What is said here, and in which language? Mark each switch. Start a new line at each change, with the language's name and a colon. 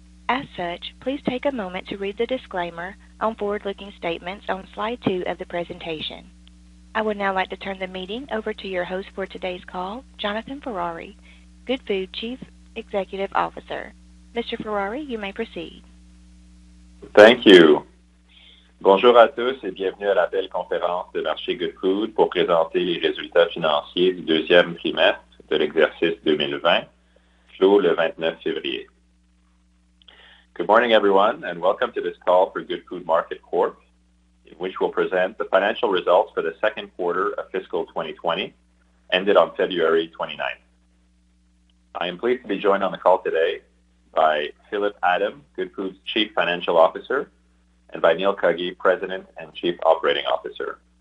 English: As such, please take a moment to read the disclaimer on forward-looking statements on slide 2 of the presentation. I would now like to turn the meeting over to your host for today's call, Jonathan Ferrari, Goodfood Chief Executive Officer. Mr. Ferrari, you may proceed. Thank you.
French: Bonjour à tous et bienvenue à la belle conférence de marché Goodfood pour présenter les résultats financiers du deuxième trimestre de l'exercice 2020, clos le 29 février.
English: Good morning, everyone, and welcome to this call for Goodfood Market Corp, in which we'll present the financial results for the second quarter of fiscal 2020, ended on February 29th. I am pleased to be joined on the call today by Philip Adam, Goodfood's Chief Financial Officer, and by Neil Cuggy, President and Chief Operating Officer.